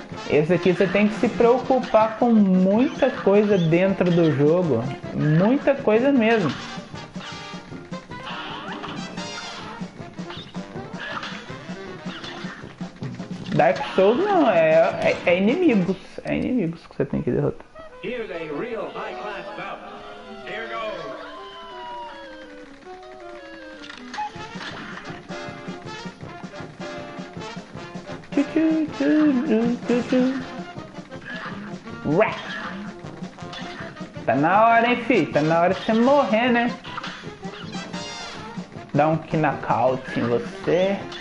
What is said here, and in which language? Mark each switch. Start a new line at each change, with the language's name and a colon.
Portuguese: Esse aqui você tem que se preocupar com muita coisa dentro do jogo. Muita coisa mesmo. Dark Souls não, é inimigos. É inimigos que você tem que derrotar.
English: Here's a real high class bout. Here goes. Choo choo choo choo choo choo.
Portuguese: Rah! Tá na hora, hein, fi? Tá na hora de você morrer, né? Dá um knockout em você.